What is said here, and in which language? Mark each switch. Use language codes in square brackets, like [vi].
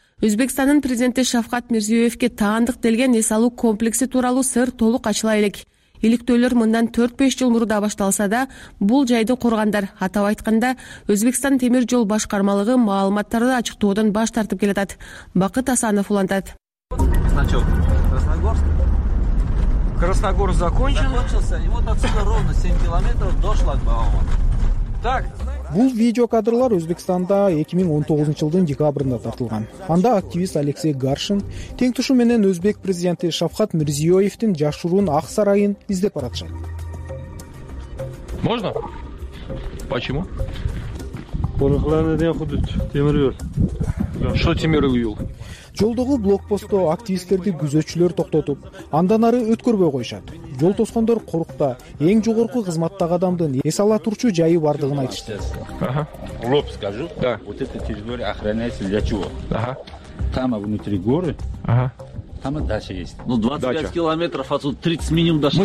[ky] Өзбекстандын президенти Шавкат Мирзиёевке таандык делген эс алуу комплекси тууралуу сыр толук ачыла элек. Иликтөөлөр мындан 4-5 жыл мурда башталса да, бул жайды коргандар, атап айтканда, Өзбекстан темир жол башкармалыгы маалыматтарды ачыктоодон баш тартып келатат. Бакыт Асанов улантат. [ru] Значок. Красногорск. Красногорск закончился. И вот отсюда ровно 7 км до шлагбаума. Так. [ky] Бул видеокадрлар Өзбекстанда 2019 жылдын декабрында тартылган. Анда активист Алексей Гаршин теңтушу менен өзбек президенти Шавкат Мирзиёевдин жашыруун Ак сарайын издеп баратышат. [ru] Можно? Почему? [ky] Конукларына деген худут, темир жол. [ru] Что темир жол? [ky] Жолдогу блокпостто активисттерди күзөтчүлөр токтотуп, андан ары өткөрбөй коюшат. Жол тоскондор корукта эң жогорку кызматтагы адамдын эс ала турчу жайы бардыгын айтышты. [ru] Ага. Лоб скажу. Да. Вот эта территория охраняется для чего? Ага. Там внутри горы. Ага. Там и дача есть. Ну, 25 дача. Километров отсюда, 30 минимум до Шавасая.